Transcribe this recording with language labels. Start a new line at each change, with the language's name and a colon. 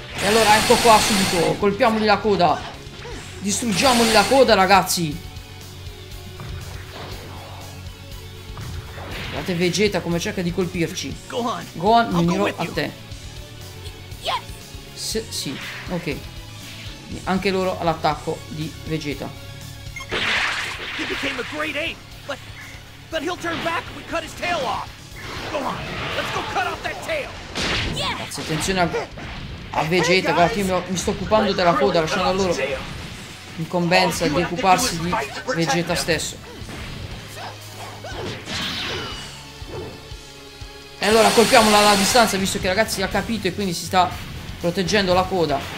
Italian: E allora ecco qua subito, colpiamogli la coda. Distruggiamogli la coda, ragazzi. Guardate Vegeta come cerca di colpirci. Gohan, unirò a te. Sì, ok. Anche loro all'attacco di Vegeta.
English: He became a great ape, but he'll turn back if we cut his tail off. Go on, let's go cut off that tail. Yeah.
Italian: Attenzione a Vegeta, hey, guarda, io mi sto occupando della coda, lasciando a loro incombenza di occuparsi di Vegeta stesso. E allora colpiamola alla distanza, visto che ragazzi ha capito e quindi si sta proteggendo la coda.